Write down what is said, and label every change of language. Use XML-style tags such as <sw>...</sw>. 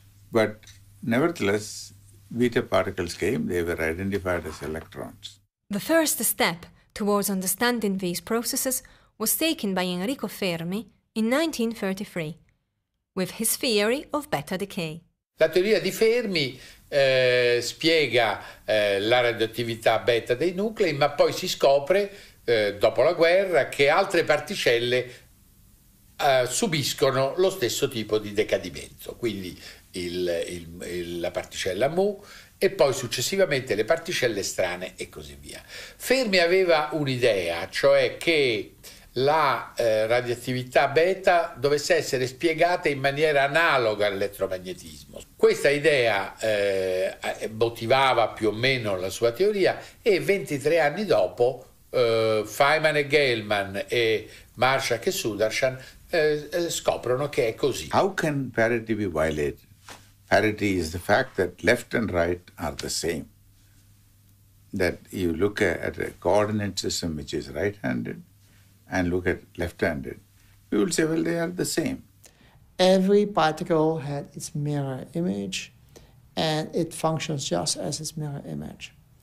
<en>But nevertheless, beta particles came. They were identified as electrons. The first step towards understanding these processes was taken by Enrico Fermi in 1933 with his theory of beta decay.</en> <it>La teoria di Fermi spiega la radioattività beta dei nuclei, ma poi si scopre, dopo la guerra, che altre particelle subiscono lo stesso tipo di decadimento. Quindi la particella mu e poi successivamente le particelle strane e così via. Fermi aveva un'idea, cioè che la radioattività beta dovesse essere spiegata in maniera analoga all'elettromagnetismo. Questa idea motivava più o meno la sua teoria e 23 anni dopo Feynman e Gell-Mann e Marshak e Sudarshan scoprono che è così.</it> <en>How can parity be violated? Parity is the fact that left and right are the same. That you look at a coordinate system which is right-handed and look at left-handed, you will say, well, they are the same. Every particle had its mirror image, and it functions just as its mirror image.</en>